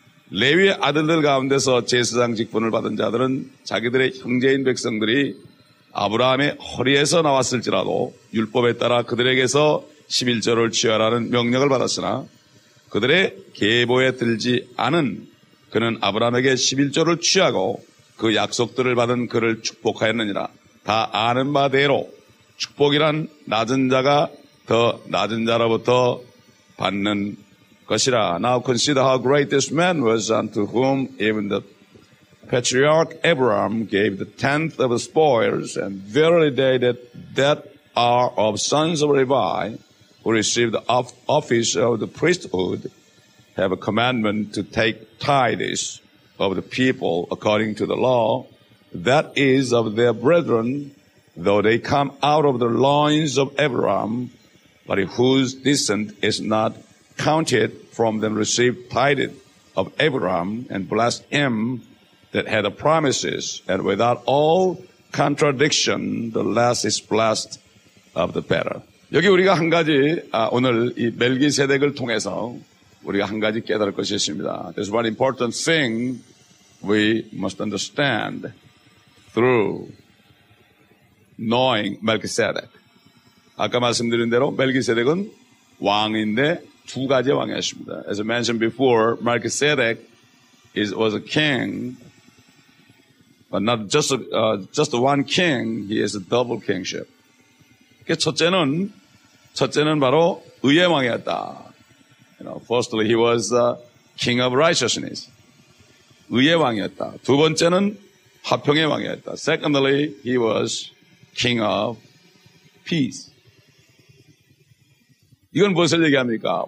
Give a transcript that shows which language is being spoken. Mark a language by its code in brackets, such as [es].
[ko] 레위의 아들들 가운데서 제사장 직분을 받은 자들은 자기들의 형제인 백성들이 아브라함의 허리에서 나왔을지라도 율법에 따라 그들에게서 십일조를 취하라는 명령을 받았으나 그들의 계보에 들지 않은 그는 아브라함에게 십일조를 취하고 그 약속들을 받은 그를 축복하였느니라. 다 아는 바대로 축복이란 낮은 자가 더 낮은 자로부터 받는 것이라. [en] Now consider how great this man was unto whom even the patriarch Abraham gave the tenth of the spoils, and verily they that are of sons of Levi, who received the office of the priesthood, have a commandment to take tithes of the people according to the law, that is of their brethren, though they come out of the loins of Abraham, but whose descent is not counted from them received tithes of Abraham, and blessed him that had the promises, and without all contradiction, the less is blessed of the better. [ko] 여기 우리가 한 가지, 오늘 이 멜기세덱을 통해서 우리가 한 가지 깨달을 것이 있습니다. [en] There's one important thing we must understand through knowing Melchizedek. [ko] 아까 말씀드린 대로 멜기세덱은 왕인데 두 가지 왕이었습니다. [en] As I mentioned before, Melchizedek was a king, but not just just one king, he is a double kingship. [ko] 첫째는 바로 의의 왕이었다. [en] You know, firstly, he was the king of righteousness. [ko] 의의 왕이었다. 두 번째는 화평의 왕이었다. [en] Secondly, he was king of peace. [ko] 이건 무엇을 얘기합니까?